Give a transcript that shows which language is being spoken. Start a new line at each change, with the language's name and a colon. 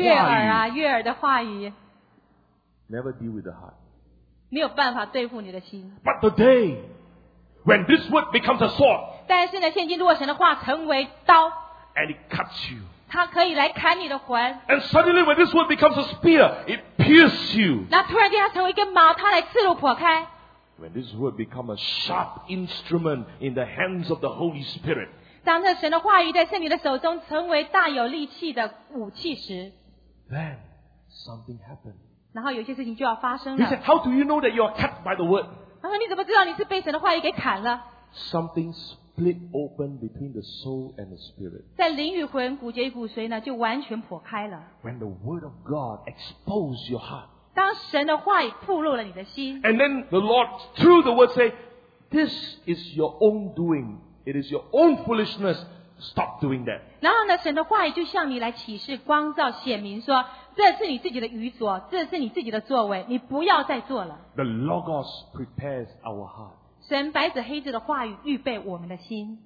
Chinese: 哦，好甜心啊，这话很好听啊。甜甜蜜蜜的话语。很悦耳啊，悦耳的话语。
English: Never deal with the heart.
Chinese: 没有办法对付你的心。
English: But today, when this word becomes a sword,
Chinese: 但是呢，现今如果神的话成为刀,
English: and it cuts you,
Chinese: 它可以来砍你的魂,
English: and suddenly when this word becomes a spear, it pierces you,
Chinese: 那突然间它成为一根矛, 它来刺入剖开,
English: when this word becomes a sharp instrument in the hands of the Holy Spirit,
Chinese: 当这神的话语在圣灵的手中成为大有力气的武器时,
English: then something happens.
Chinese: 然后有些事情就要发生了。
English: He said, how do you know that you are cut by the word?
Chinese: 他说你怎么知道你是被神的话语给砍了？
English: Something split open between the soul and the spirit.
Chinese: 在灵与魂骨节骨髓呢，就完全剖开了。
English: When the word of God exposed your heart.
Chinese: 当神的话语暴露了你的心。
English: And then the Lord through the word say, this is your own doing. It is your own foolishness. Stop doing that.
Chinese: 然后呢，神的话语就向你来启示、光照、显明说。这是你自己的愚拙，这是你自己的作为，你不要再做了。
English: The Logos prepares our heart.
Chinese: 神白纸黑字的话语预备我们的心。